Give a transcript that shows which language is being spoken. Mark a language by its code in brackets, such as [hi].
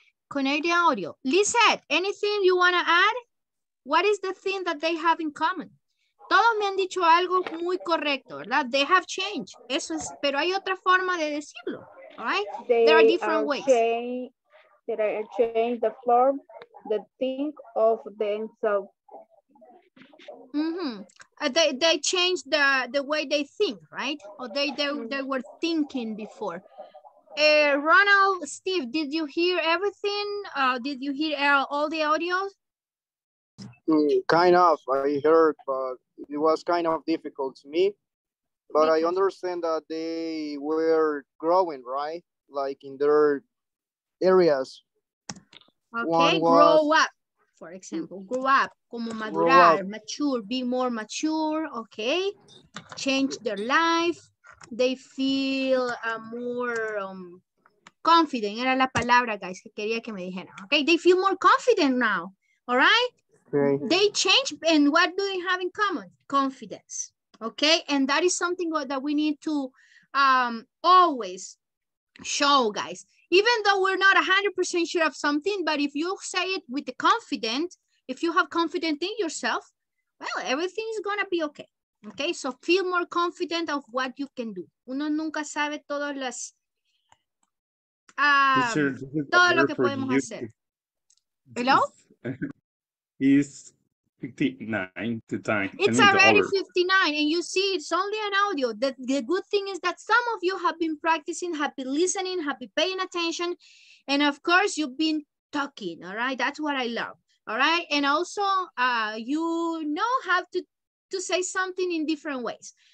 [en] Canadian audio. Lizette, anything you want to add? What is the thing that they have in common? [es] Todos me han dicho algo muy correcto, ¿verdad? They have changed. Eso es, pero hay otra forma de decirlo, all right? [en] There are different ways. They are changed the form, the think of themselves. Mm-hmm. They changed the way they think, right? Or they were thinking before. Ronald, Steve, did you hear everything? Did you hear all the audios? Kind of, I heard, but it was kind of difficult to me. But I understand that they were growing, right? Like in their areas. Okay, grow up, for example. Grow up, como madurar, mature, be more mature, okay? Change their life. They feel more confident. [es] Era la palabra, guys, que quería que me dijeran. [en] Okay, they feel more confident now. All right? Okay. They change, and what do they have in common? Confidence. Okay? And that is something that we need to always show, guys. Even though we're not 100% sure of something, but if you say it with the confident, if you have confidence in yourself, well, everything is going to be okay. Okay, so feel more confident of what you can do. [es] Uno nunca sabe todas las todo lo que podemos hacer. [en] Hello? It's 59 to time. It's already 59 and you see it's only an audio. The good thing is that some of you have been practicing, have been listening, have been paying attention, and of course you've been talking, all right? That's what I love. All right? And also you know how to say something in different ways.